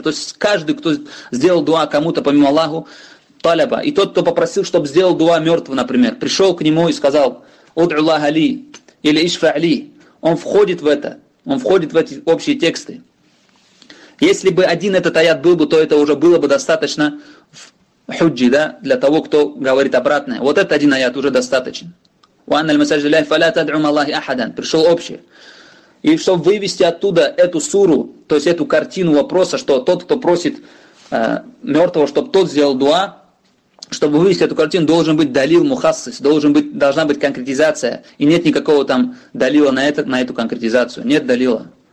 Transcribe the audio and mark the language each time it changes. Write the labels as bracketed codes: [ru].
[ru] То есть каждый, кто сделал дуа кому-то помимо Аллаху, талиба, и тот, кто попросил, чтобы сделал дуа мертвого, например, пришел к нему и сказал [ar] «Удъу Аллаха ли» [ru] или [ar] «Ишфа ли», [ru] он входит в это, он входит в эти общие тексты. Если бы один этот аят был бы, то это уже было бы достаточно в худжи, да, для того, кто говорит обратное. Вот этот один аят уже достаточен. [ar] وأن المساجد لله فلا تدعوا مع الله أحدا. [ru] Пришел общее. И чтобы вывести оттуда эту суру, то есть эту картину вопроса, что тот, кто просит мертвого, чтобы тот сделал дуа, чтобы вывести эту картину, должен быть далил мухассис, должна быть конкретизация. И нет никакого там далила на эту конкретизацию. Нет далила.